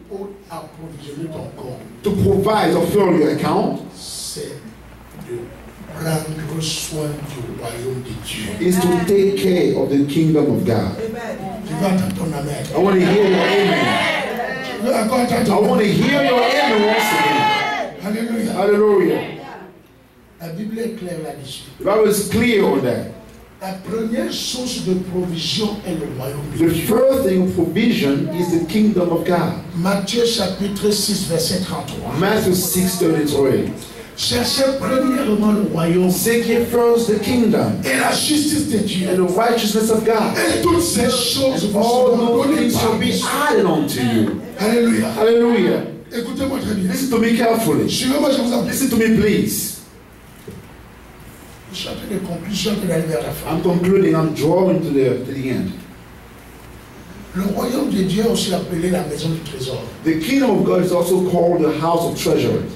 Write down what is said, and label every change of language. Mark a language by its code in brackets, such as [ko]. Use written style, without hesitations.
[en] to provide or fill your account is to take care of the kingdom of God. Amen. I want to hear your amen. I want to hear your amen once again. Hallelujah. Hallelujah. [fr] La Bible est claire là-dessus. [en] The Bible is clear on that. [fr] La première source de provision est le royaume de Dieu. [en] The first thing of provision is the kingdom of God. [fr] Matthieu chapitre 6 verset 33. [en] Matthew 6:33. [fr] Cherchez premièrement le royaume. [en] Seek ye first the kingdom. [fr] Et la justice de Dieu. [en] And the righteousness of God. [fr] Et toutes ces choses vous seront données par lui. [en] Added unto you. [fr] Hallelujah. Hallelujah. Écoutez-moi très bien. [en] Listen to me carefully. [fr] Suivez-moi, je vous en prie. [en] Listen to me, please. [fr] Je suis en train de conclure, je suis en train d'aller vers la fin. [en] I'm concluding. I'm drawing to the end. [fr] Le royaume de Dieu est aussi appelé la maison du trésor. [en] The kingdom of God is also called the house of treasure.